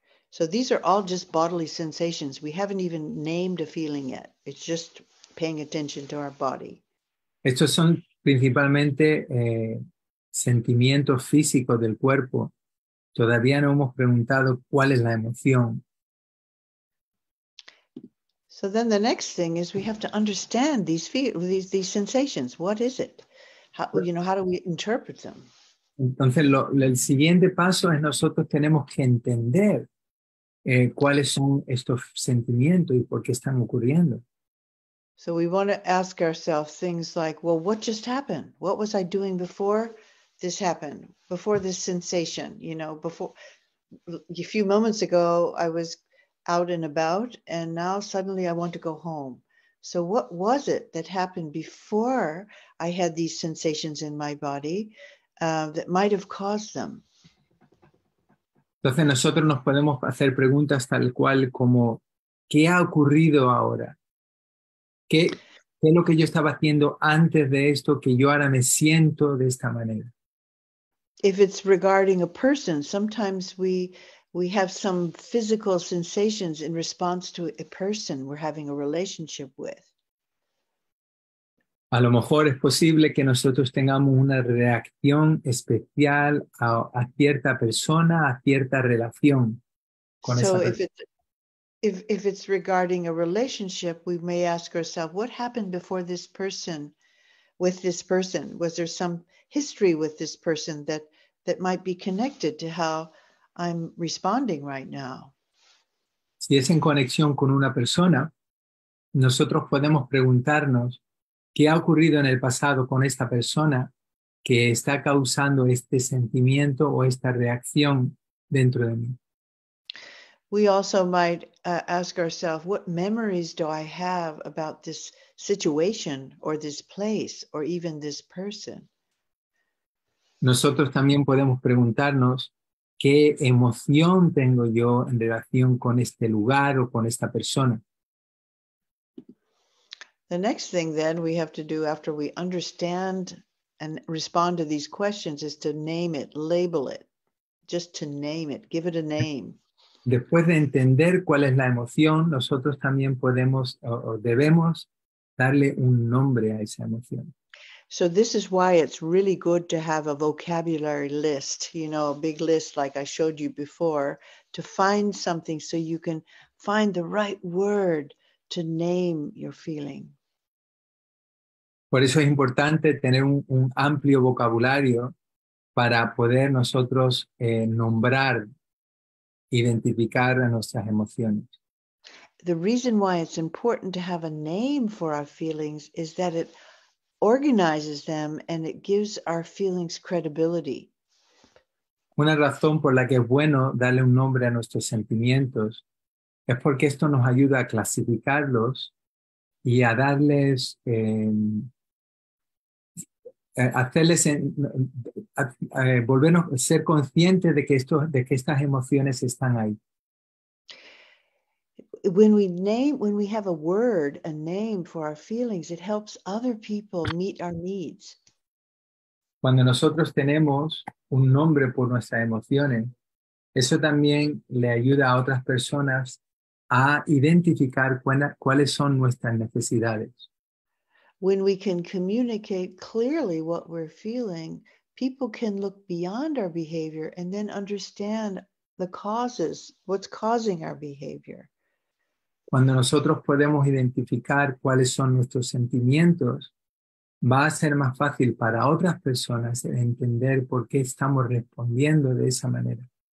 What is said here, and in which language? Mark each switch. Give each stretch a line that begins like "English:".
English: So these are all just bodily sensations. We haven't even named a feeling yet. It's just paying attention to our body.
Spanish: Estos son principalmente sentimientos físicos del cuerpo. Todavía no hemos preguntado cuál es la emoción.
English: So then the next thing is we have to understand these sensations. What is it? How do we interpret them?
Spanish: Entonces, el siguiente paso es nosotros tenemos que entender cuáles son estos sentimientos y por qué están ocurriendo.
English: So we want to ask ourselves things like, well, what just happened? What was I doing before this happened? Before this sensation, you know, before a few moments ago, I was out and about, and now suddenly I want to go home. So what was it that happened before I had these sensations in my body that might have caused them?
Spanish: Entonces nosotros nos podemos hacer preguntas tal cual como, ¿qué ha ocurrido ahora? ¿Qué es lo que yo estaba haciendo antes de esto que yo ahora me siento de esta manera?
English: If it's regarding a person, sometimes we We have some physical sensations in response to a person we're having a relationship with.
Spanish: A lo mejor es posible que nosotros tengamos una reacción especial a cierta persona, a cierta relación con esa persona.
English: If it's regarding a relationship, we may ask ourselves, what happened before this person, with this person? Was there some history with this person that might be connected to how I'm responding right now?
Spanish: Si es en conexión con una persona, nosotros podemos preguntarnos, ¿qué ha ocurrido en el pasado con esta persona que está causando este sentimiento o esta reacción dentro de mí?
English: We also might ask ourselves, what memories do I have about this situation or this place or even this person?
Spanish: Nosotros también podemos preguntarnos, ¿qué emoción tengo yo en relación con este lugar o con esta persona?
English: The next thing then we have to do after we understand and respond to these questions is to name it, label it, just to name it, give it a name.
Spanish: Después de entender cuál es la emoción, nosotros también podemos o debemos darle un nombre a esa emoción.
English: So this is why it's really good to have a vocabulary list, you know, a big list like I showed you before, to find something so you can find the right word to name your feeling.
Spanish: Por eso es importante tener un amplio vocabulario para poder nosotros nombrar, identificar a nuestras emociones.
English: The reason why it's important to have a name for our feelings is that it organizes them and it gives our feelings credibility.
Spanish: Una razón por la que es bueno darle un nombre a nuestros sentimientos es porque esto nos ayuda a clasificarlos y a darles volvernos a ser conscientes de que estas emociones están ahí.
English: When we have a word, a name for our feelings, it helps other people meet our needs.
Spanish: Cuando nosotros tenemos un nombre por nuestras emociones, eso también le ayuda a otras personas a identificar cuáles son nuestras necesidades.
English: When we can communicate clearly what we're feeling, people can look beyond our behavior and then understand the causes, what's causing our behavior.
Spanish: Cuando nosotros podemos identificar cuáles son nuestros sentimientos, va a ser más fácil para otras personas entender por qué estamos respondiendo de esa manera.